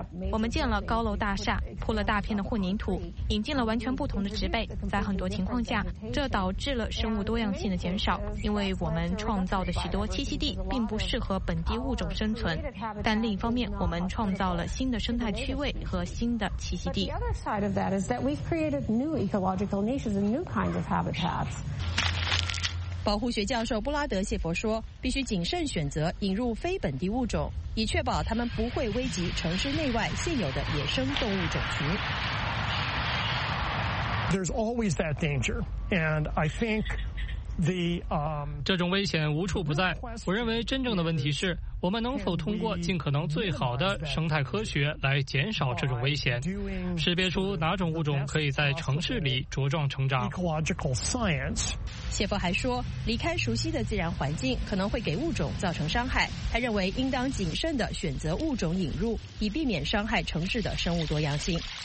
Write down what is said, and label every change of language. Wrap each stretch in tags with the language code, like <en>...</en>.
<zh>我们建了高楼大厦，铺了大片的混凝土，引进了完全不同的植被，在很多情况下这导致了生物多样性的减少，因为我们创造的许多栖息地并不适合本地物种生存，但另一方面我们创造了新的生态区位和新的栖息地。</zh> <en>Side of that is that we've created new ecological niches and new kinds of habitats.</en> <zh>保护学教授布拉德谢佛说，必须谨慎选择引入非本地物种，以确保他们不会危及城市内外现有的野生动物种群。</zh> <en>There's always that danger, and I think the,</en> <zh>这种危险无处不在。我认为真正的问题是，我们能否通过尽可能最好的生态科学来减少这种危险，识别出哪种物种可以在城市里茁壮成长。谢佛还说，离开熟悉的自然环境可能会给物种造成伤害，他认为应当谨慎地选择物种引入，以避免伤害城市的生物多样性。</zh>